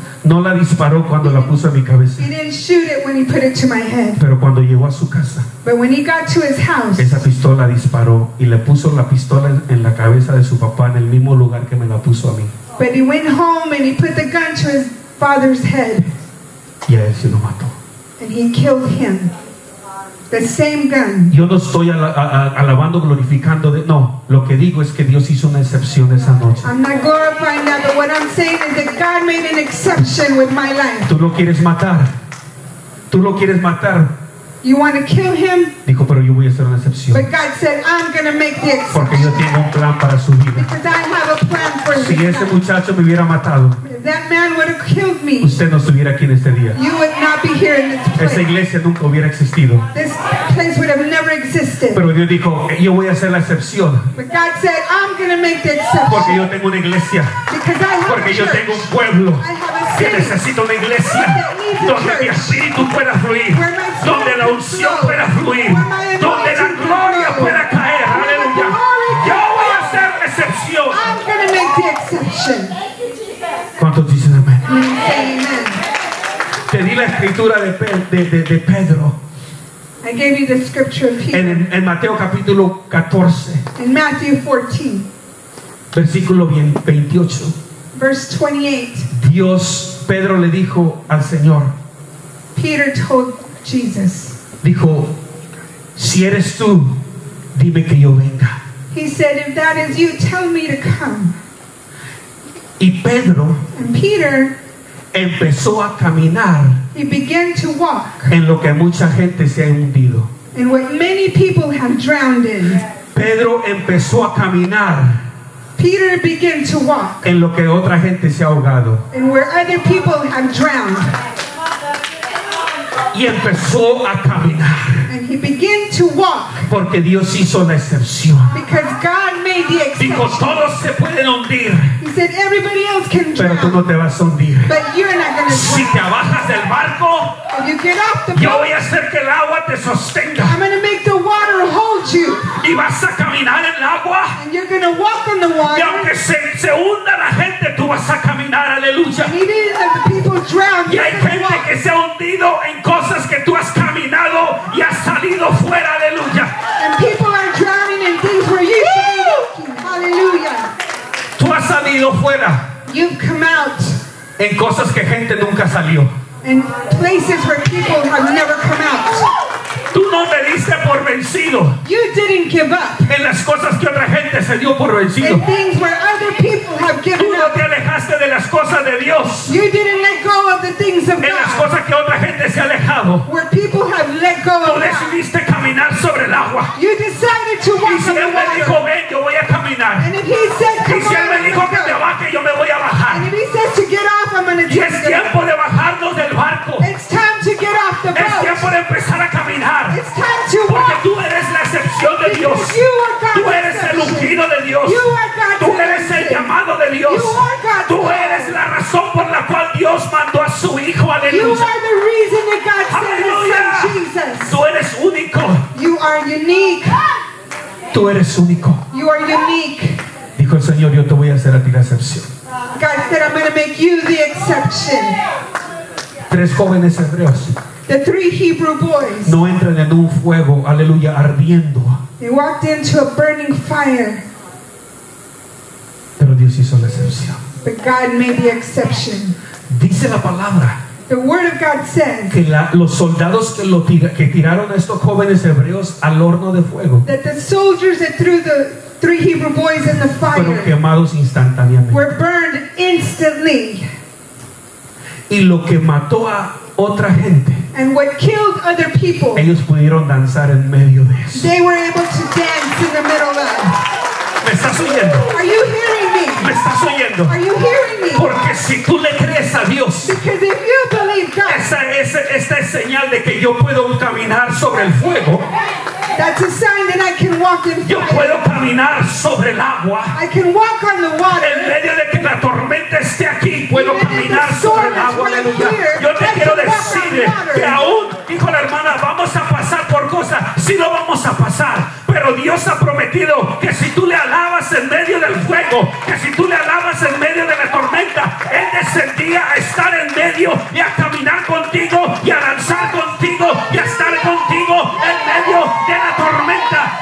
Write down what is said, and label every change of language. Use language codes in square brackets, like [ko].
[es] No la disparó cuando la puso a mi cabeza. [en] He didn't shoot it when he put it to my head. [es] Pero cuando llegó a su casa. [en] But when he got to his house. [es] Esa pistola disparó y le puso la pistola en la cabeza de su papá en el mismo lugar que me la puso a mí. [en] But he went home and he put the gun to his father's head. [es] Y a él se lo mató. [en] And he killed him. The same gun. [es] Yo no estoy alabando, glorificando de, no, lo que digo es que Dios hizo una excepción esa noche. [en] I'm not glorifying that, but what I'm saying is that God made an exception with my life. [es] Tú lo quieres matar. Tú lo quieres matar. [en] You want to kill him? [es] Dijo, pero yo voy a hacer una excepción. [en] But God said, I'm going to make the exception. [es] Porque yo tengo un plan para su vida. [en] Because I have a plan for [es] si [en] his [es] ese [en] life. [es] Muchacho me hubiera matado, [en] that man would have killed me. [es] Usted no estuviera aquí en este día. [en] You would not be here in this place. [es] Esa iglesia nunca hubiera existido. [en] This place would have never existed. [es] Pero Dios dijo, yo voy a hacer la excepción. [en] But God said, I'm going to make the exception. [es] Porque yo tengo una iglesia. [en] Because I have [es] porque [en] a [es] yo [en] church. [es] Tengo un pueblo. [en] I have a city. [es] Que necesita una iglesia. Donde mi espíritu pueda fluir. Donde la unción pueda fluir. Donde la gloria pueda caer. Aleluya. Yo voy a hacer la excepción. excepción. [en] I'm gonna make the exception. [es] ¿Cuántos dicen amén? [en] Amen. [es] Te di la escritura de Pedro. [en] I gave you the scripture of Peter. [es] En Mateo capítulo 14. [en] In Matthew 14. [es] Versículo 28. [en] Verse 28. [es] Dios, Pedro le dijo al Señor. [en] Peter told Jesus. [es] Dijo, si eres tú, dime que yo venga. [en] He said, if that is you, tell me to come. [es] Y Pedro, [en] and Peter, [es] empezó a caminar. [en] He began to walk. [es] En lo que mucha gente se ha hundido. [en] In what many people have drowned in. [es] Pedro empezó a caminar. [en] Peter began to walk. [es] En lo que otra gente se ha ahogado. [en] In where other people have drowned. [es] Y empezó a caminar. [en] And he began to walk. [es] Porque Dios hizo la excepción. [en] Because God made the exception. [es] Dijo, todos se pueden hundir. [en] He said, everybody else can drown. [es] Pero tú no te vas a hundir. [en] But you're not going to drown. [es] Si te bajas del barco, [en] if you get off the boat, [es] yo voy a hacer que el agua te sostenga. [en] I'm going to make the water hold you. [es] Y vas a caminar en el agua. [en] And you're going to walk on the water. [es] Y aunque se hunda la gente, tú vas a caminar, aleluya. [en] And even if the people drown, [es] y hay gente [en] walk. [es] Que se ha hundido en cosas que tú has caminado y has salido fuera, aleluya. [en] And people are drowning in things where you hallelujah. [es] Tú has salido fuera. [en] You've come out. [es] En cosas que gente nunca salió. [en] In places where people have never come out. [es] Tú no me diste por vencido. [en] You didn't give up. [es] En las cosas que otra gente se dio por vencido. [en] In things where other people have given up. [es] Tú no te alejaste de las cosas de Dios. [en] You didn't let go of the things of God. [es] En las cosas que otra gente se ha alejado. [en] Where people have let go of God. [es] Tú decidiste caminar sobre el agua. [en] You decided to walk on the water. [es] Y si Él me dijo, ven, yo voy a caminar. [en] And if He said, come on, [es] y si Él me dijo que te baje, yo me voy a bajar. [en] And if He said to get off, I'm going to take it. [es] Y es tiempo de bajarnos del barco. [en] It's time to get off the boat. [es] Es tiempo de empezar a caminar. [en] It's time to [es] porque [en] walk. [es] Tú eres la excepción de Dios. Tú eres el ungido de Dios. Tú eres el llamado de Dios. Tú eres la razón por la cual Dios mandó a su Hijo. Aleluya. [en] You are the reason that God aleluya. Sent His Son, Jesus. [es] Tú eres único. [en] You are unique. [es] Tú eres único. [en] You are unique. [es] Dijo el Señor, yo te voy a hacer a ti la excepción. [en] God said, I'm going to make you the exception. [es] Tres jóvenes hebreos. [en] The three Hebrew boys. [es] No entran en un fuego, aleluya, ardiendo. [en] They walked into a burning fire. [es] Pero Dios hizo la excepción. [en] But God made the exception. [es] Dice la palabra. [en] The word of God says. [es] Que los soldados que tiraron a estos jóvenes hebreos al horno de fuego. [en] That the soldiers that threw the three Hebrew boys in the fire. [es] Fueron quemados instantáneamente. [en] Were burned instantly. [es] Y lo que mató a otra gente. [en] And what killed other people. [es] Ellos pudieron danzar en medio de eso. [en] They were able to dance in the middle of. [es] ¿Me estás oyendo? [en] Are you hearing me? [es] ¿Me estás oyendo? [en] Are you hearing me? [es] Porque si tú le crees a Dios. [en] Because if you believe God. [es] Esta es señal de que yo puedo caminar sobre el fuego. [en] That's a sign that I can walk in fire. [es] Yo puedo caminar sobre el agua. [en] I can walk on the water. [es] En medio de que la tormenta esté aquí, puedo [en] even [es] caminar sobre el agua. [en] Right here, [es] yo te quiero decir que aún, dijo la hermana, vamos a pasar por cosas. Sí lo vamos a pasar. Pero Dios ha prometido que si tú le alabas en medio del fuego, que si tú le alabas en medio de la tormenta, Él descendía a estar en medio y a caminar contigo y a danzar contigo y a estar contigo en medio de la tormenta.